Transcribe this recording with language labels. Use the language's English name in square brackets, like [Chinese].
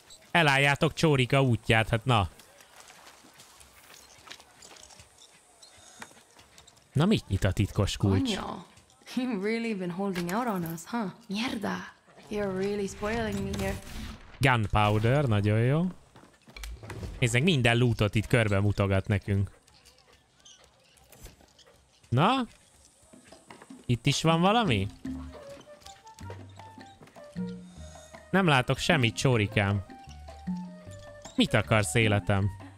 [Hungarian] Elálljátok Csórika útját, hát na. Na, mit nyit a titkos kulcs? [English] You've really been holding out on us, huh? Mierda! You're really spoiling me here. [Hungarian] Gunpowder, nagyon jó. Nézd meg, minden lootot itt körbe mutogat nekünk. Na? Itt is van valami? Nem látok semmit, Csórikám. Mit akarsz, életem?